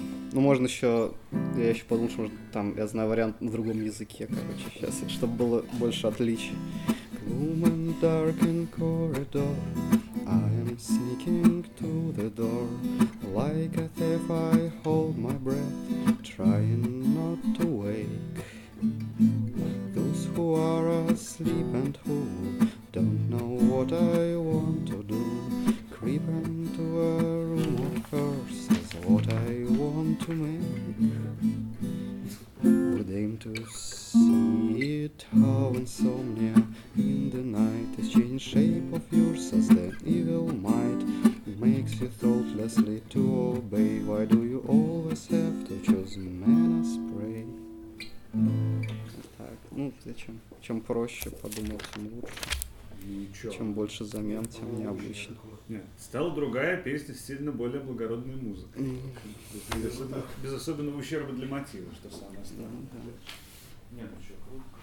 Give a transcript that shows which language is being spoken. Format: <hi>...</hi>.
<ru>Ну, можно еще, я еще подумал, что может, там, я знаю вариант на другом языке, короче, сейчас, чтобы было больше отличий.</ru> <en>Gloom and dark in corridor, I'm sneaking to the door, like a thief I hold my breath, trying not to wake. Those who are asleep and who don't know what I want to do, creep into a room of curse. What I want to make would aim to see it, how insomnia in the night has changed shape of yours as the evil might makes you thoughtlessly to obey. Why do you always have to choose man as prey?</en> <ru>Так, ну, чем проще подумал, тем лучше. Ничего. Чем больше замен, тем необычно. Нет, стала другая песня с сильно более благородной музыкой. Mm-hmm. Без особенного ущерба для мотива, что самое основное. Нет, ну что, круг.</ru>